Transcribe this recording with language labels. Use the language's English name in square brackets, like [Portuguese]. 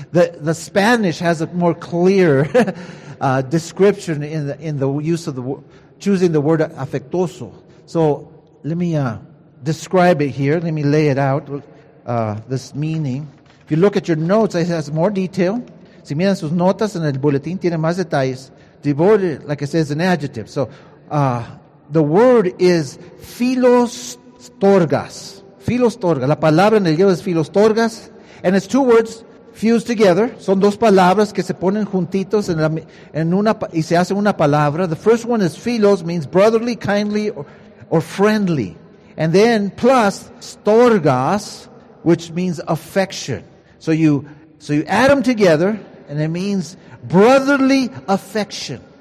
[English] The Spanish has a more clear description in the use of the choosing the word afectuoso. So let me describe it here. Let me lay it out, this meaning. If you look at your notes, it has more detail. [Spanish] Si miran sus notas en el boletín, tiene más detalles. [English] Devoted, like I said, is an adjective. So the word is philostorgas. Philostorgas. [Spanish] La palabra en el griego es philostorgas. [English] And it's two words fused together. [Spanish] Son dos palabras que se ponen juntitos y se hace una palabra. [English] The first one is philos, means brotherly, kindly, or friendly. And then plus storgas, which means affection. So you add them together, and it means brotherly affection.